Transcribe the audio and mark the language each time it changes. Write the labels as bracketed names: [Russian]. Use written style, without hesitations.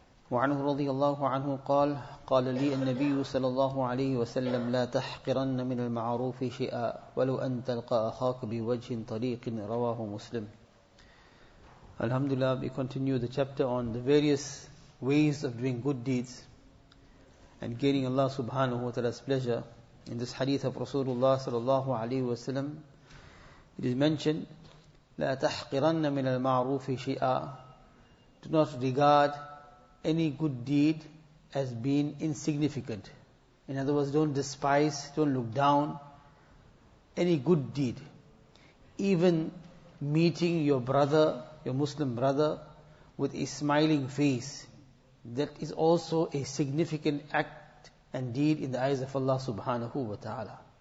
[Arabic] وعنه رضي الله عنه قال قال لي النبي صلى الله عليه وسلم لا تحقرن من المعروف شيئا ولو أن تلقى أخاك بوجه طريق. رواه مسلم. الحمد لله. [English] We continue the chapter on the various ways of doing good deeds and gaining Allah subhanahu wa ta'ala's pleasure. In this hadith of Rasulullah صلى الله عليه وسلم, it is mentioned, [Arabic] لا تحقرن من المعروف شيئا. [English] Do not regard any good deed as being insignificant. In other words, don't despise, don't look down any good deed. Even meeting your brother, your Muslim brother, with a smiling face, that is also a significant act and deed in the eyes of Allah subhanahu wa ta'ala.